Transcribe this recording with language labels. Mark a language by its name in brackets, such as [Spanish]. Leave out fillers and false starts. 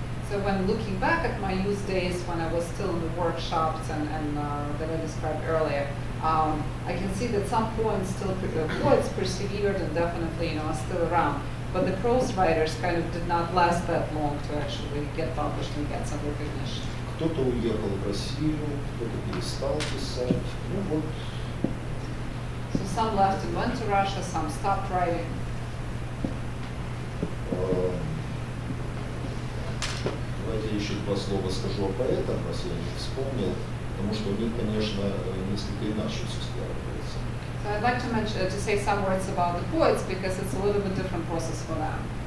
[English] so when looking back at my youth days, when I was still in the workshops that I described earlier, I can see that some poems still poets persevered and definitely, you know, are still around. But the prose writers kind of did not last that long to actually get published and get some recognition. [Russian] Кто-то уехал в Россию, кто-то перестал писать. Ну вот. [English] So some left and went to Russia, some stopped writing. [Russian] Давайте еще два слова скажу о поэтах, раз я не вспомнил, потому что у них, конечно, несколько иначе все складывается. [English] So I'd like to say some words about the poets because it's a little bit different process for them.